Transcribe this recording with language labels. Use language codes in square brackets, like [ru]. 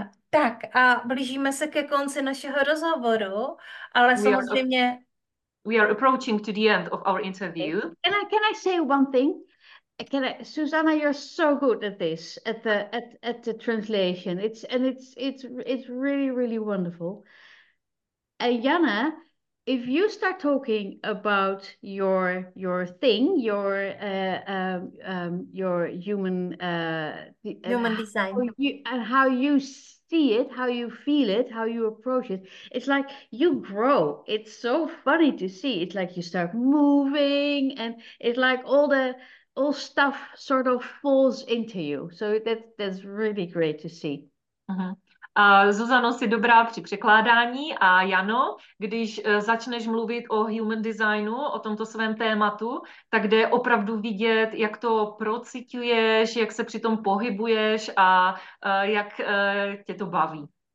[cs] Tak a blížíme se ke konci našeho rozhovoru, ale samozřejmě... [en] We are approaching to the end of our interview. Can I say one thing? Susanna, you're so good at this, at the translation. It's really, really wonderful. Jana if you start talking about your thing, your human human design. How you see it, how you feel it, how you approach it, it's like you grow. It's so funny to see. It's like you start moving, and it's like all stuff sort of falls into you. So that's really great to see. [cs] Zuzano, jsi dobrá při překládání a Jano, když začneš mluvit o human designu, o tomto svém tématu, tak jde opravdu vidět, jak to prociťuješ, jak se při tom pohybuješ a jak tě to baví.